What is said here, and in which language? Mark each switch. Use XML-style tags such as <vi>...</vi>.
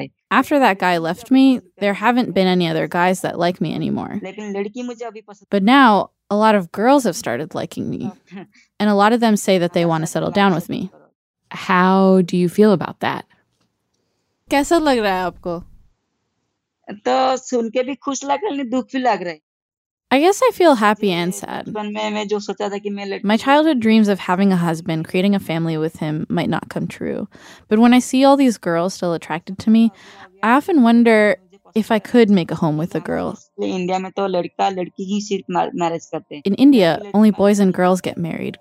<en>After that guy left me, there haven't been any other guys that like me anymore. But now, a lot of girls have started liking me, and a lot of them say that they want to settle down with me. How do you feel about that?</en> <hi>कैसा लग रहा है आपको? तो सुन के भी खुश लग रहा है, दुख भी लग रहा है.</hi> <en>I guess I feel happy and sad. My childhood dreams of having a husband, creating a family with him, might not come true. But when I see all these girls still attracted to me, I often wonder if I could make a home with a girl. In India, only boys and girls get married.</en>